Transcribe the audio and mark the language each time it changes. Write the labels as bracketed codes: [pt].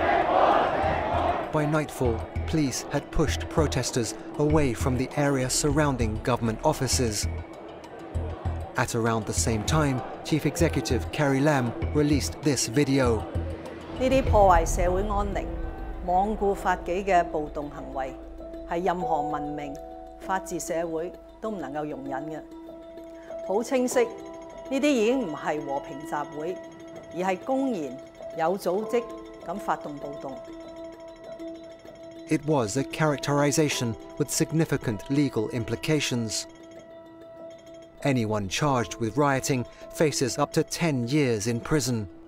[en] By nightfall, police had pushed protesters away from the area surrounding government offices. At around the same time, Chief Executive Carrie Lam released this video. These [zh] 破壞社會安寧、罔顧法紀的暴動行為 是任何文明、法治社會都不能容忍的。很清晰,這些已經不是和平集會, 而是公然、有組織地發動暴動。 [en] It was a characterization with significant legal implications. Anyone charged with rioting faces up to 10 years in prison.